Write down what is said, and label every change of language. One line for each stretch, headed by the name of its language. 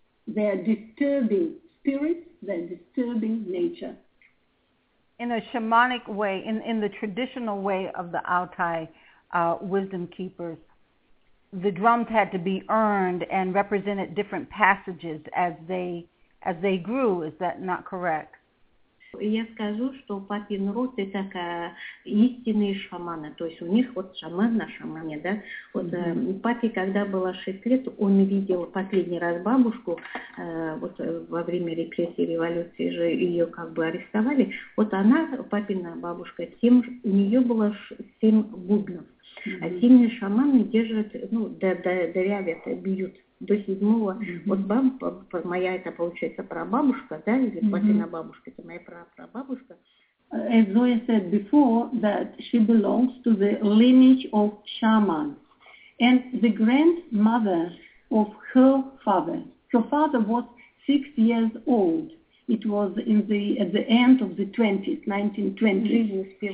English: They are disturbing spirits, they're disturbing nature. In a shamanic way, in the traditional way of the Altai wisdom keepers, the drums had to be earned and represented different passages as they grew, is that not correct?
Russian: Я скажу, что папин род это истинные шаманы, то есть у них вот шаман на шамане, да. Вот папе, когда было 6 лет, он видел последний раз бабушку, вот во время репрессий, революции же ее как бы арестовали. Вот она, папина бабушка, у нее было 7 бубнов. А сильные шаманы держат, ну, дырявят, бьют. До седьмого, вот моя это получается прабабушка, да, или папина бабушка, это моя прабабушка.
English: As Zoya said before, that she belongs to the lineage of shamans. And the grandmother of her father was 6 years old. It was at the end of the 20s, 1920s.